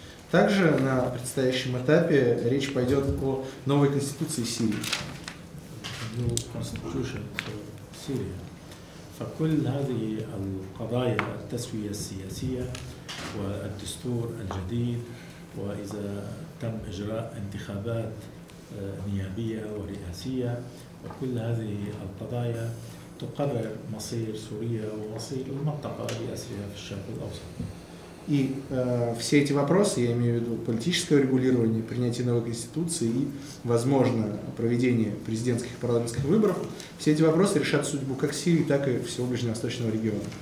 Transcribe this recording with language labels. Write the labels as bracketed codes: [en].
[ru] Также на предстоящем этапе речь пойдет о новой конституции Сирии. [en] New Constitution for Syria. [ar] فكل هذه القضايا التسوية السياسية والدستور الجديد وإذا تم إجراء انتخابات نيابية ورئاسية وكل هذه القضايا تقرر مصير سوريا ومصير المنطقة بأسرها في الشرق الأوسط. [ru] И все эти вопросы, я имею в виду политическое регулирование, принятие новой конституции и, возможно, проведение президентских и парламентских выборов, все эти вопросы решат судьбу как Сирии, так и всего Ближневосточного региона.